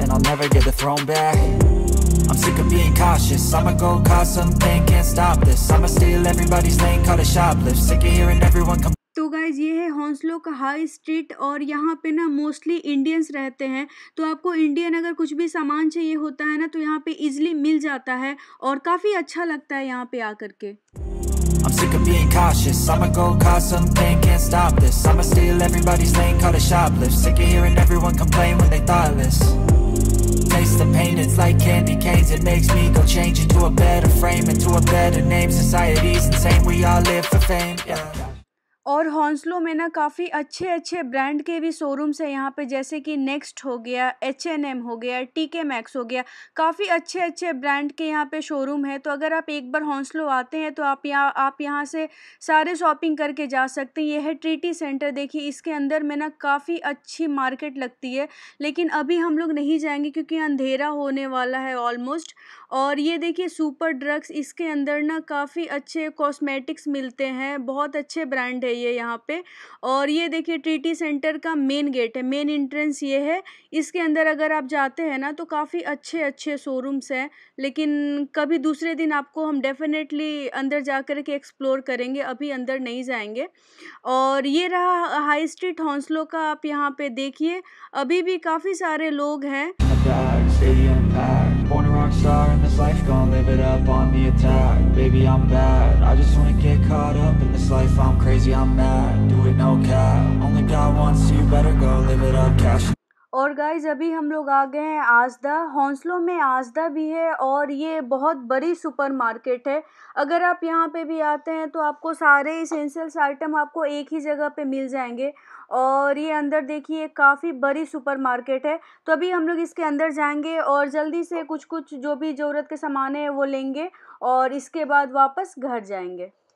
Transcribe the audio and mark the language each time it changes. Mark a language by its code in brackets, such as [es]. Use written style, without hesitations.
[en] I'm sick of being cautious, I'ma go cause something, can't stop this, I'ma steal everybody's lane, call it shoplift, sick of hearing everyone come. [hi] तो guys ये है हौसलो का high street और यहाँ पे ना mostly Indians रहते हैं, तो आपको इंडियन अगर कुछ भी सामान चाहिए होता है ना तो यहाँ पे इजिली मिल जाता है और काफी अच्छा लगता है यहाँ पे आकर के। [en] I'm sick of being cautious, I'ma go cause something, can't stop this, I'ma steal everybody's lane, call it shoplift, sick of hearing everyone complain when they thoughtless. Taste the pain, it's like candy canes, it makes me go change into a better frame, into a better name, society's insane, we all live for fame, yeah. [hi] और हौसलो में ना काफ़ी अच्छे अच्छे brand के भी showrooms हैं यहाँ पे, जैसे कि नेक्स्ट हो गया, H&M हो गया, TK Maxx हो गया, काफ़ी अच्छे अच्छे ब्रांड के यहाँ पे शोरूम है। तो अगर आप एक बार हौसलो आते हैं तो आप यहाँ से सारे शॉपिंग करके जा सकते हैं। यह है ट्रीटी सेंटर, देखिए इसके अंदर में ना काफ़ी अच्छी मार्केट लगती है, लेकिन अभी हम लोग नहीं जाएंगे क्योंकि अंधेरा होने वाला है ऑलमोस्ट। और ये देखिए सुपर ड्रग्स, इसके अंदर ना काफ़ी अच्छे कॉस्मेटिक्स मिलते हैं, बहुत अच्छे ब्रांड है ये यहाँ पे। और ये देखिए ट्रीटी सेंटर का मेन गेट है, मेन एंट्रेंस ये है, इसके अंदर अगर आप जाते हैं ना तो काफ़ी अच्छे अच्छे शोरूम्स हैं, लेकिन कभी दूसरे दिन आपको हम डेफिनेटली अंदर जा कर के एक्सप्लोर करेंगे, अभी अंदर नहीं जाएंगे। और ये रहा हाई स्ट्रीट हौसलो का, आप यहाँ पे देखिए अभी भी काफ़ी सारे लोग हैं। [en] Born a rock star in this life, gon' live it up on the attack. Baby, I'm bad, I just wanna get caught up in this life. I'm crazy, I'm mad, do it no cap. Only got one, so you better go live it up, cash. [hi] और guys अभी हम लोग आ गए हैं आजदा, हौसलो में आजदा भी है और ये बहुत बड़ी सुपरमार्केट है। अगर आप यहाँ पे भी आते हैं तो आपको सारे एसेंशियल्स आइटम आपको एक ही जगह पे मिल जाएंगे। और ये अंदर देखिए काफ़ी बड़ी सुपरमार्केट है, तो अभी हम लोग इसके अंदर जाएंगे और जल्दी से कुछ कुछ जो भी ज़रूरत के सामान है वो लेंगे और इसके बाद वापस घर जाएंगे।